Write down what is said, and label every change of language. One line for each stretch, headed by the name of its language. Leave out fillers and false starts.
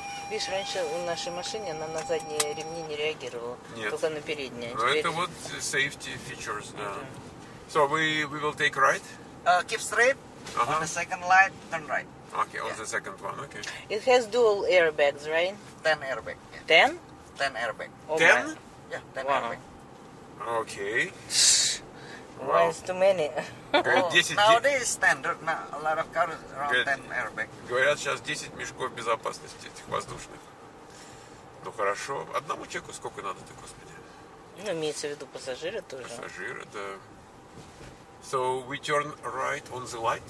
Russian: Видишь, раньше у нашей машины она на задние ремни не реагировала. Нет. Только на передние. Но теперь... это вот
English: safety features.
Russian: Да.
English: Uh-huh. So we will take right. Keep straight. Uh-huh. On the second light, turn right. Okay. On the second one. Okay. It has dual airbags, right? 10 airbag. Yeah. 10? 10 airbag. Okay. 10? Yeah, 10 airbag. Okay. Well, it's too many. Well, nowadays standard. A lot of cars around 10 airbag.
Russian: Говорят, сейчас 10 мешков безопасности этих воздушных. Ну хорошо. Одному человеку сколько надо-то, господи? Ну, имеется в виду пассажиры тоже. Пассажиры, да.
English: So we turn right on the light?